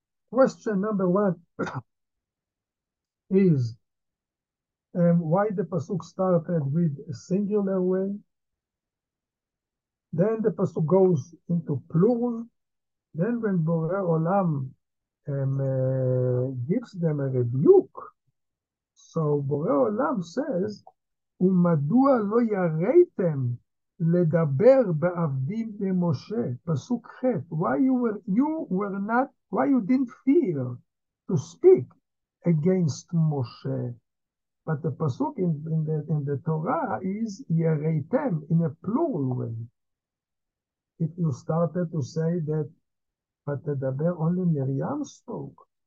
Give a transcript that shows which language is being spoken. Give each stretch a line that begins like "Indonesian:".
English: Question number one is why the pasuk started with a singular way, then the pasuk goes into plural, then when Borei Olam gives them a rebuke. So Borei Olam says,
Hebrew: ומדוע לא יראיתם לדבר בעבדים למשה?
English: פסוק ח', why you didn't fear to speak against Moshe? But the pasuk in the Torah is yereitem in a plural way. If you started to say that, but the Daber only Miriam spoke.